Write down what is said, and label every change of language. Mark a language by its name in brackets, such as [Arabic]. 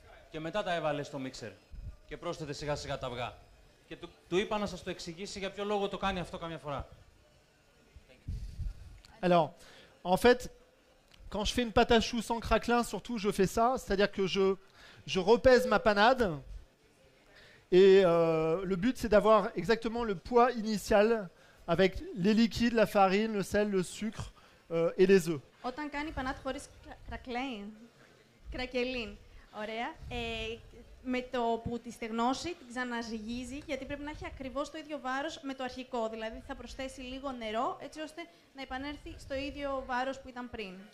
[Greek] Και μετά τα έβαλε στο μίξερ και πρόσθεσε σιγά σιγά τα αυγά. Και του είπα να σας το εξηγήσει για ποιο λόγο το κάνει αυτό καμιά φορά. [French] Alors, en fait, quand je fais une pâte à choux sans craquelin, surtout je fais ça, c'est-à-dire que je repèse ma panade et le but c'est d'avoir exactement le poids initial avec les liquides, la farine, le sel, le sucre et les œufs. [Greek] Όταν κάνει πανάτα χωρίς κρακλέιν, κρακελίν, ωραία, με το που τη στεγνώσει, την ξαναζυγίζει, γιατί πρέπει να έχει ακριβώς το ίδιο βάρος με το αρχικό, δηλαδή θα προσθέσει λίγο νερό, έτσι ώστε να επανέλθει στο ίδιο βάρος που ήταν πριν.